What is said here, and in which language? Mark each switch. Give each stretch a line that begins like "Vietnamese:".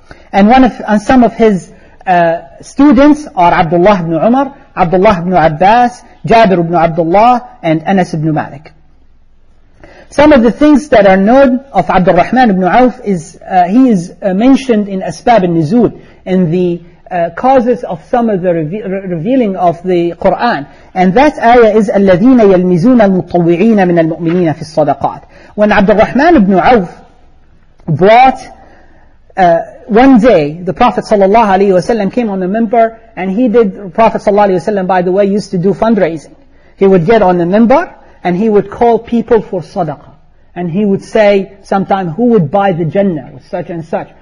English: And some of his students are Abdullah ibn Umar, Abdullah ibn Abbas, Jabir ibn Abdullah, and Anas ibn Malik. Some of the things that are known of Abd al-Rahman ibn Auf is, he is mentioned in Asbab al-Nuzul, in the causes of some of the revealing of the Quran. And that ayah is
Arabic: الَّذِينَ يَلْمِزُونَ الْمُطَوِّعِينَ مِنَ الْمُؤْمِنِينَ فِي الصَّدَقَاتِ.
English: When Abd al-Rahman ibn Auf brought one day, the Prophet sallallahu alayhi wasallam came on the minbar, and he did, Prophet sallallahu alayhi wasallam, by the way, used to do fundraising. He would get on the minbar and he would call people for sadaqah. And he would say sometime, who would buy the Jannah with such and such?